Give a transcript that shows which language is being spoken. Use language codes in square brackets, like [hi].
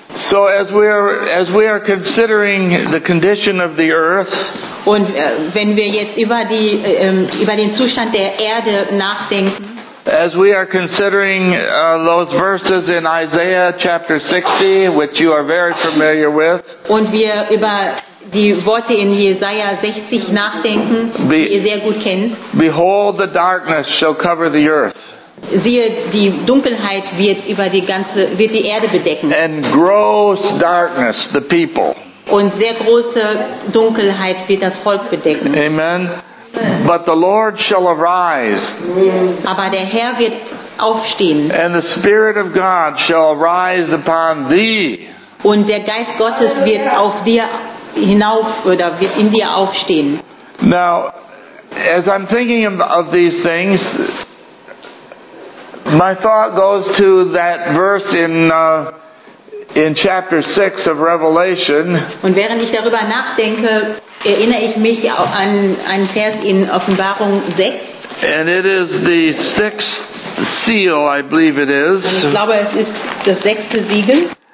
[en] So as we are considering the condition of the earth. [de] Und wenn wir jetzt über den Zustand der Erde nachdenken. [en] As we are considering those verses in Isaiah chapter 60, which you are very familiar with. [de] Und wir über die Worte in Jesaja 60 nachdenken, die ihr sehr gut kennt. [en] Behold, the darkness shall cover the earth. [de] Siehe, die Dunkelheit wird die Erde bedecken. [en] And gross darkness, the people. [de] Und sehr große Dunkelheit wird das Volk bedecken. [en] Amen. But the Lord shall arise. [de] Aber der Herr wird aufstehen. [en] And the Spirit of God shall arise upon thee. [de] Und der Geist Gottes wird auf dir hinauf oder wird in dir aufstehen. [en] Now, as I'm thinking of these things, my thought goes to that verse in chapter 6 of Revelation. [de] Und während ich darüber nachdenke, erinnere ich mich an einen Vers in Offenbarung 6. [en] And it is the sixth seal, I believe it is. [de] Und ich glaube, es ist das sechste Siegel.